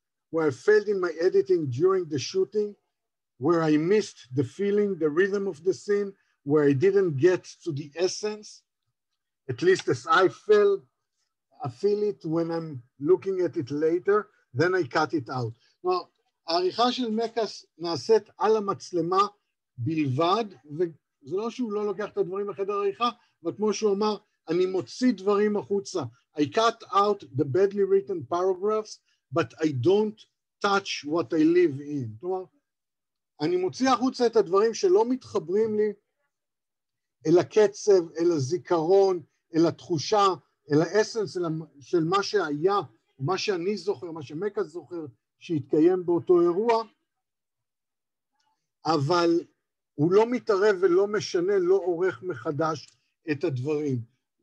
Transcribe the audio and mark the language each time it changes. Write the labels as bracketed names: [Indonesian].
[English] Where I failed in my editing during the shooting, where I missed the feeling, the rhythm of the scene, where I didn't get to the essence, at least as I feel it when I'm looking at it later, then I cut it out. [Hebrew] Now, העריכה של מקס נעשית על המצלמה בלבד, וזה לא שהוא לא לוקח את הדברים לחדר העריכה, אבל כמו שהוא אמר, אני מוציא דברים החוצה. [English] I cut out the badly written paragraphs, but I don't touch what I live in. [Hebrew] כלומר, אני מוציא החוצה את הדברים שלא מתחברים לי, אל הקצב, אל הזיכרון, אל התחושה, אל האסנס, של מה שהיה, מה שאני זוכר, מה שמקה זוכר, שהתקיים באותו אירוע, אבל הוא לא מתערב ולא משנה, לא עורך מחדש את הדברים.